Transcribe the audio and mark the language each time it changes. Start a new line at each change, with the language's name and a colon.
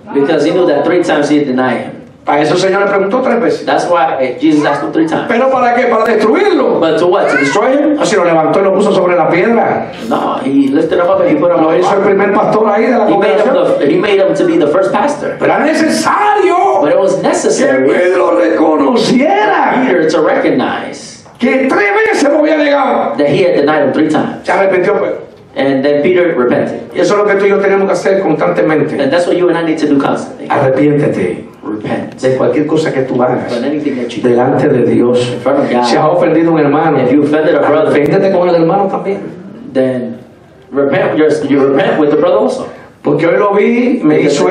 English: Because he knew that three times he had denied him.
Spanish: Para eso el Señor le preguntó tres veces.
English: That's why Jesus asked him three times.
Spanish: ¿Pero para qué? ¿Para destruirlo?
English: But to what? To destroy him?
Spanish: Así lo levantó y lo puso sobre la piedra.
English: No, he lifted him up and he put him on the rock.
Spanish: Lo hizo el primer pastor ahí de la congregación.
English: He made him to be the first pastor.
Spanish: Pero era necesario.
English: But it was necessary.
Spanish: Que Pedro reconociera.
English: Peter to recognize.
Spanish: Que tres veces me había negado.
English: That he had denied him three times.
Spanish: Se arrepintió pues.
English: And then Peter repented.
Spanish: Y eso es lo que tú y yo tenemos que hacer constantemente.
English: And that's what you and I need to do constantly.
Spanish: Arrepiéntete.
English: Repent.
Spanish: De cualquier cosa que tú hagas.
English: You
Spanish: delante de Dios.
English: In front of God.
Spanish: Si has ofendido a un hermano.
English: If you offended a brother.
Spanish: Arrepiéntete con el hermano también.
English: Then repent. You repent with the brother also.
Spanish: Porque hoy lo vi, me hizo esto.